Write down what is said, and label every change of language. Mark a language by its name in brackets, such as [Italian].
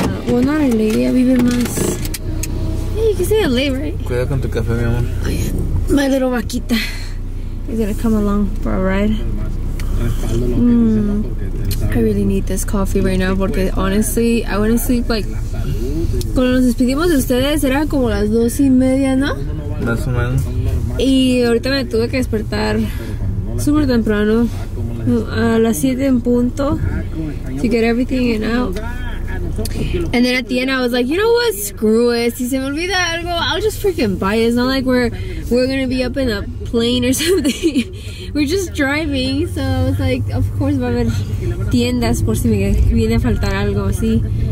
[English] Well, not LA. I live in Mas. Yeah, you can say LA, right? [Spanish] Cuidado con tu café, mi amor. [English] My little vaquita is gonna come along for a ride. I really need this coffee right now because honestly, I want to sleep like. [Spanish] Cuando nos despedimos de ustedes, eran como las 2:30, ¿no? Más o menos. Y ahorita me tuve que despertar súper temprano, a las 7:00. [English] To get everything in out. And then at the end, I was like, you know what? Screw it. [Spanish] Si se me olvida algo, [English] I'll just freaking buy it. It's not like we're going to be up in a plane or something. We're just driving. So I was like, of course, [Spanish] va a haber tiendas por si me viene a faltar algo así.